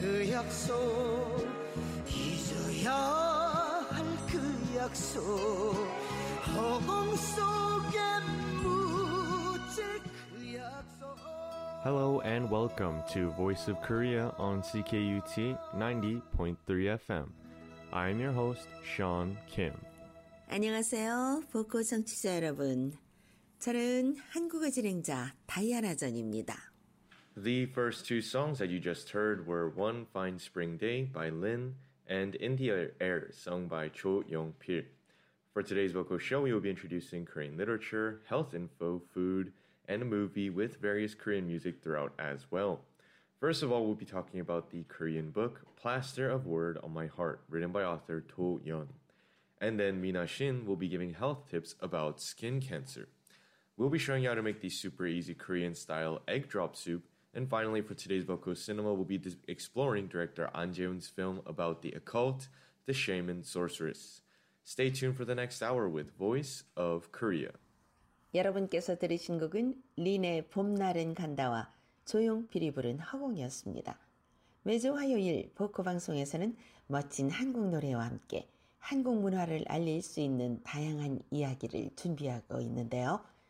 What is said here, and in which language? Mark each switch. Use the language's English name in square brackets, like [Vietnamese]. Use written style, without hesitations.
[Korean] 약속 잊어야 할 그 약속 허공 속에 묻힐 그 약속. [English] Hello and welcome to Voice of Korea on CKUT 90.3 FM. I'm your host, Sean Kim. [Korean] 안녕하세요, 보코 청취자 여러분. 저는 한국어 진행자 다이아나 전입니다. [English] The first two songs that you just heard were One Fine Spring Day by Lin and In the Air, sung by Cho Yong-pil. For today's Voco Show, we will be introducing Korean literature, health info, food, and a movie with various Korean music throughout as well. First of all, we'll be talking about the Korean book Plaster of Word on My Heart, written by author To Yeon. And then Mina Shin will be giving health tips about skin cancer. We'll be showing you how to make the super easy Korean-style egg drop soup. And finally, for today's Voco Cinema, we'll be exploring director An Jae-woon's film about the occult, The Shaman Sorceress. Stay tuned for the next hour with Voice of Korea. [Korean] 여러분께서 들으신 곡은 린의 봄날은 간다와 조용필이 부른 허공이었습니다. 매주 화요일 보코 방송에서는 멋진 한국 노래와 함께 한국 문화를 알릴 수 있는 다양한 이야기를 준비하고 있는데요.